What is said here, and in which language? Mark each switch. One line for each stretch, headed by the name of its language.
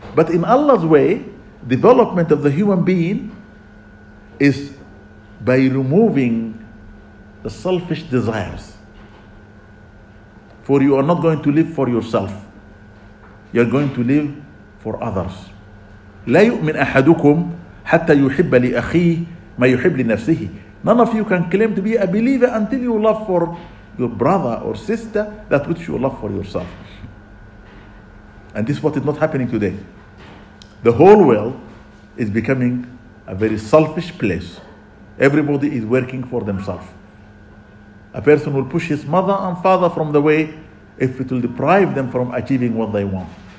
English: But in Allah's way, development of the human being is by removing the selfish desires. For you are not going to live for yourself. You are going to live for others.
Arabic: لا يؤمن أحدكم حتى يحب لأخيه ما يحب لنفسه.
English: None of you can claim to be a believer until you love for your brother or sister that which you love for yourself. And this is what is not happening today. The whole world is becoming a very selfish place. Everybody is working for themselves. A person will push his mother and father from the way if it will deprive them from achieving what they want.